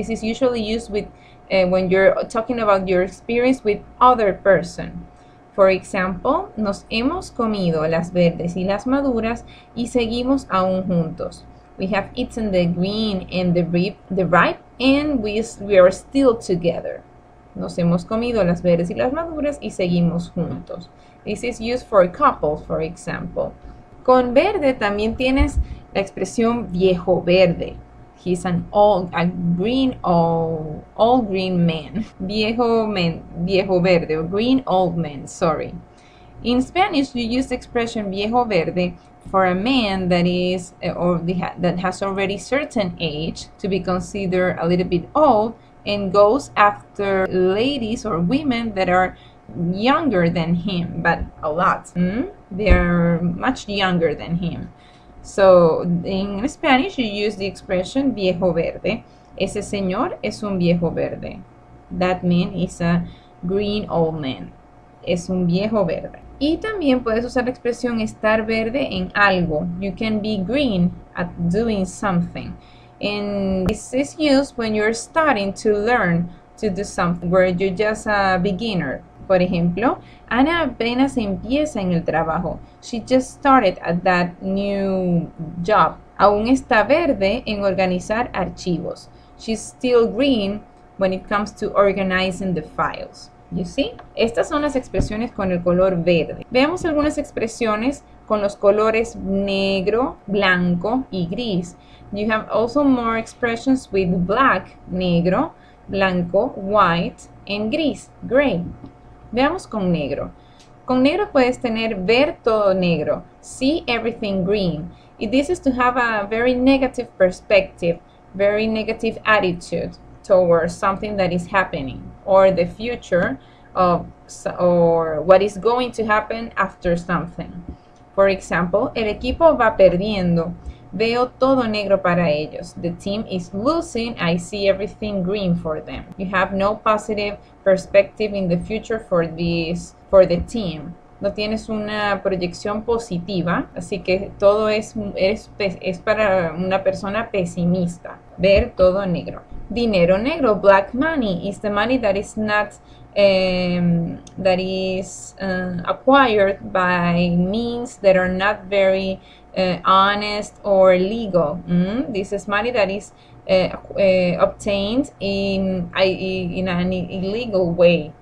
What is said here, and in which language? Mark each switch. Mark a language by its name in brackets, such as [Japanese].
[English] This is usually used with when you're talking about your experience with other person. For example, [Spanish] nos hemos comido las verdes y las maduras y seguimos aún juntos. [English] We have eaten the green and the ripe and we are still together. [Spanish] Nos hemos comido las verdes y las maduras y seguimos juntos. [English] This is used for couples, for example. [Spanish] Con verde también tienes la expresión viejo verde. [English] He's an old green man. Viejo man, [Spanish] viejo verde, [English] or green old man, sorry. In Spanish, you use the expression [Spanish] viejo verde [English] for a man that is, or that has already certain age to be considered a little bit old and goes after ladies or women that are younger than him, but a lot. They are much younger than him. So, in Spanish, you use the expression [Spanish] viejo verde. Ese señor es un viejo verde. [English] That man is a green old man. [Spanish] Es un viejo verde. Y también puedes usar la expresión estar verde en algo. [English] You can be green at doing something. And this is used when you're starting to learn to do something, where you're just a beginner. [Spanish] Por ejemplo, Ana apenas empieza en el trabajo. [English] She just started at that new job. [Spanish] Aún está verde en organizar archivos. [English] She's still green when it comes to organizing the files. You see? [Spanish] Estas son las expresiones con el color verde. Veamos algunas expresiones con los colores negro, blanco y gris. [English] You have also more expressions with black, negro, blanco, white, and gris, gray. [Spanish] Veamos con negro. Con negro puedes tener ver todo negro, [English] see everything green. And this is to have a very negative perspective, very negative attitude towards something that is happening or the future of or what is going to happen after something. For example, [Spanish] el equipo va perdiendo. Veo todo negro para ellos. [English] The team is losing. I see everything green for them. You have no positive perspective in the future for the team. [Spanish] No tienes una proyección positiva, así que todo es para una persona pesimista. Ver todo negro. Dinero negro, [English] black money, is the money that is not that is acquired by means that are not very honest or legal. This is money that is obtained in an illegal way.